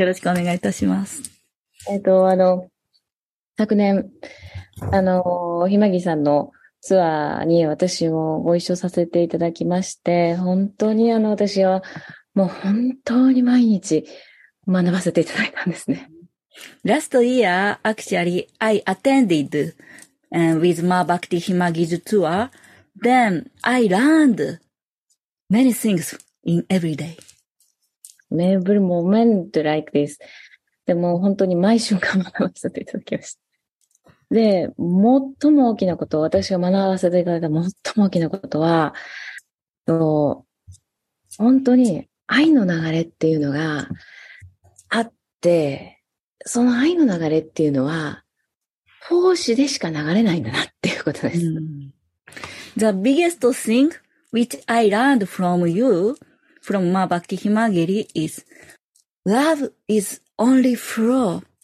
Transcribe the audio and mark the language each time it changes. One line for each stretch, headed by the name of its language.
Japanese: よろしくお願いいたします。昨年、ひまぎさんのツアーに私もご一緒させていただきまして、本当に私はもう本当に毎日学ばせていただいたんですね。
English: Last year, actually, I attended with Ma Bhakti Himagi's tour. Then I learned many things in every day. Every moment like this.
Japanese: でも本当に毎瞬間学ばせていただきました。で、最も大きなこと、私が学ばせていただいた最も大きなことは、本当に愛の流れっていうのがあって、その愛の流れっていうのは、奉仕でしか流れないんだなっていうことです。
English: The biggest thing which I learned from you, from Ma Bhakti Himagiri is, love is only flow.